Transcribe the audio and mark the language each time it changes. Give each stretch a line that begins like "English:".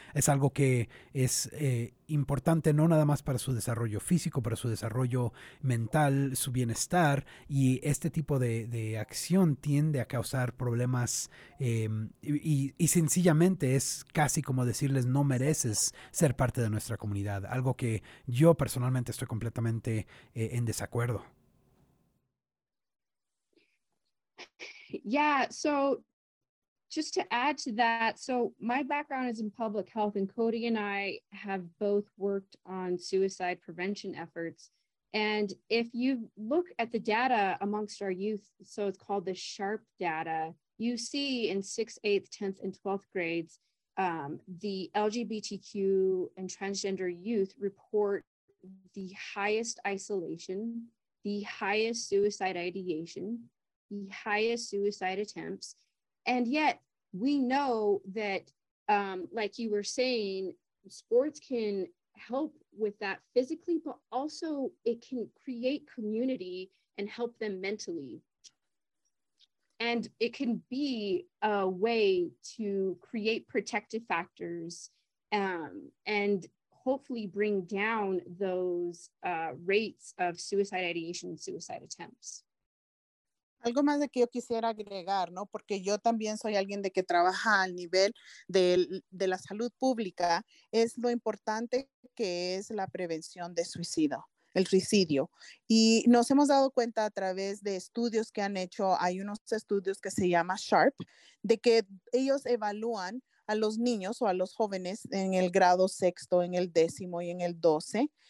Spanish: Es algo que es importante no nada más para su desarrollo físico, para su desarrollo mental, su bienestar, y este tipo de acción tiende a causar problemas y sencillamente es casi como decirles no mereces ser parte de nuestra comunidad, algo que yo personalmente estoy completamente en desacuerdo.
English: Yeah, so just to add to that, so my background is in public health, and Cody and I have both worked on suicide prevention efforts. And if you look at the data amongst our youth, so it's called the SHARP data, you see in 6th, 8th, 10th, and 12th grades, the LGBTQ and transgender youth report the highest isolation, the highest suicide ideation, the highest suicide attempts. And yet we know that, like you were saying, sports can help with that physically, but also it can create community and help them mentally. And it can be a way to create protective factors and hopefully bring down those rates of suicide ideation and suicide attempts.
Spanish: Algo más de que yo quisiera agregar, ¿no? Porque yo también soy alguien de que trabaja al nivel de la salud pública, es lo importante que es la prevención de suicidio. el suicidio. Y nos hemos dado cuenta a través de estudios que han hecho, hay unos estudios que se llama SHARP, de que ellos evalúan a los niños o a los jóvenes en el grado sexto, en el décimo y en el doce.